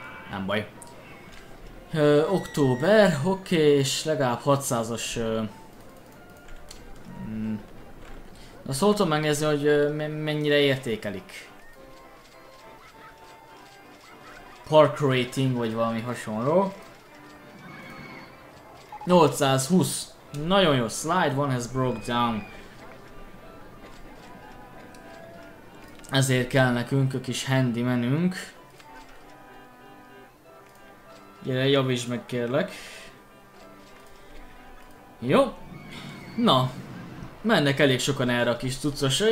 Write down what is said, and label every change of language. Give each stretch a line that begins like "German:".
Hungarian: nem baj. Október, oké, okay, és legalább 600-as... Na szóltam megnézni, hogy mennyire értékelik. Park rating, vagy valami hasonló. 820. Nagyon jó,
English: slide one has broke down.
Hungarian: Ezért kell nekünk a kis handy menünk. Gyere, javítsd meg kérlek. Jó. Na. Mennek elég sokan erre a kis cuccosra.